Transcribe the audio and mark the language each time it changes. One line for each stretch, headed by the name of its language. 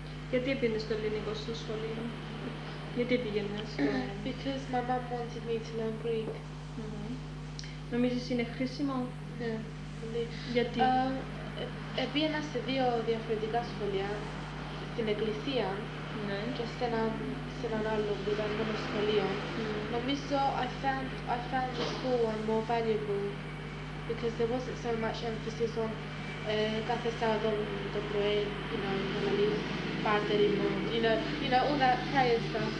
Greek: Γιατί έπαιρνες το ελληνικό στο σχολείο? Γιατί έπαιρνες?
English: Because my mom wanted me to learn Greek.
Greek: Νομίζεις είναι χρήσιμο? Ναι. Γιατί? Επήγαινα σε δύο διαφορετικά σχολεία. Στην εκκλησία και σε έναν άλλο διδαγμένο σχολείο. Νομίζω
English: I found the school one more valuable because there wasn't so much emphasis on
Greek: κάθε Σάββατο το πρωί,
English: you know,
Greek: να λαλείς πάρτερ ημών,
English: you know, all that prayer stuff.